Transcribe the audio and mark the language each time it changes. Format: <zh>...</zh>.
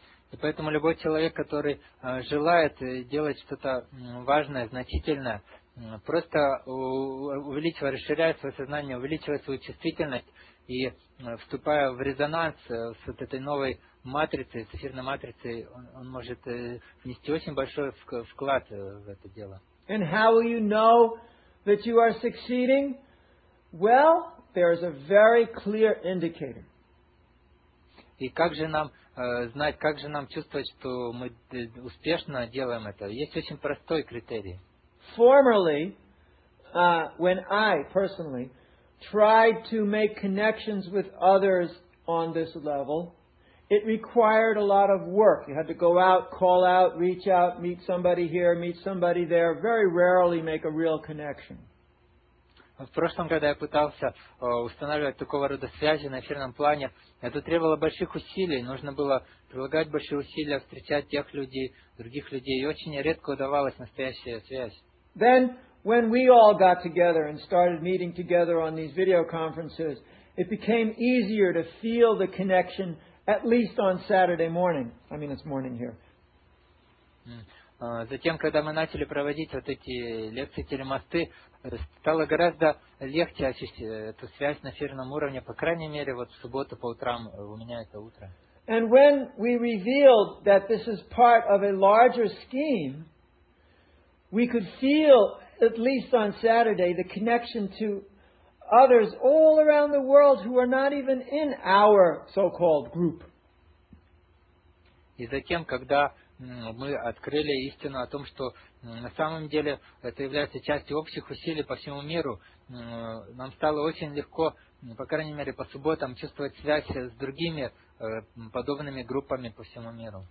<ru>И поэтому любой человек, который желает делать что-то важное, значительное, просто увеличивая, расширяя свое сознание, увеличивая свою чувствительность и вступая в резонанс с вот этой новой матрицей, с эфирной матрицей, он может внести очень большой вклад в это дело.</ru> <en>And how will you know that you are succeeding? Well, there is a very clear indicator.</en> <ru>И как же нам знать, как же нам чувствовать, что мы успешно делаем это? Есть очень простой критерий.</ru> <en>Formerly, when I personally tried to make connections with others on this level, it required a lot of work. You had to go out, call out, reach out, meet somebody here, meet somebody there, very rarely make a real connection.</en> <ru>В прошлом году я пытался устанавливать такого рода связи на эфирном плане. Это требовало больших усилий. Нужно было прилагать большие усилия, встречать тех людей, других людей. И очень редко удавалась настоящая связь.</ru> <en>Then, when we all got together and started meeting together on these video conferences, it became easier to feel the connection, at least on Saturday morning. I mean, it's morning here.</en> <ru>Затем, когда мы начали проводить вот эти лекции телемосты, стало гораздо легче ощущать эту связь на эфирном уровне, по крайней мере, вот в субботу по утрам, у меня это утро.</ru> <en>And when we revealed that this is part of a larger scheme, we could feel, at least on Saturday, the connection to others all around the world who are not even in our so-called group.</en> <ru>И затем, когда мы открыли истину о том, что на самом деле это является частью общих усилий по всему миру, нам стало очень легко, по крайней мере, по субботам, чувствовать связь с другими подобными группами по всему миру.</ru>